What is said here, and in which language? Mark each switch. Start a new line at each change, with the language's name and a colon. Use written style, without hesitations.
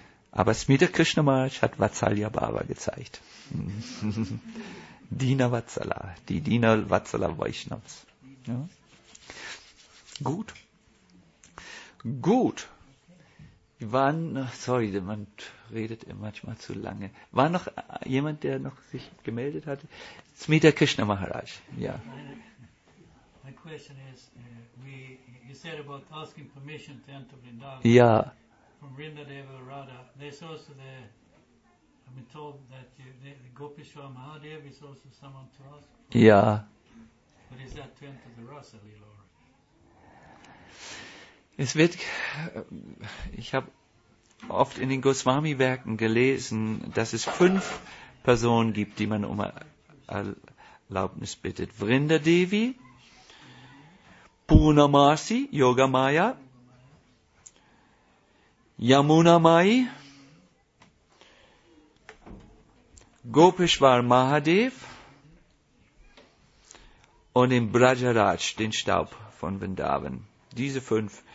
German: Aber Smita Krishna Maharaj hat Vatsalya Bhava gezeigt. Dina Vatsala, die Dina Vatsala Vaishnavs. Ja? Gut. Man redet manchmal zu lange. War noch jemand, der noch sich gemeldet hatte? Smita Krishna Maharaj, ja.
English: My question is, you said about asking permission to enter Vrindavan.
German: Ja.
English: From Vrindadeva Radha, there's also I've been told that the Gopeshwar Mahadev is also someone to ask for. Ja. But is that to enter the Rasa Lila?
German: Es wird, ich habe oft in den Goswami-Werken gelesen, dass es fünf Personen gibt, die man um Erlaubnis bittet. Vrinda Devi, Purnamasi, Yogamaya, Yamunamai, Gopeshwar Mahadev und den Brajaraj, den Staub von Vrindavan. Diese fünf.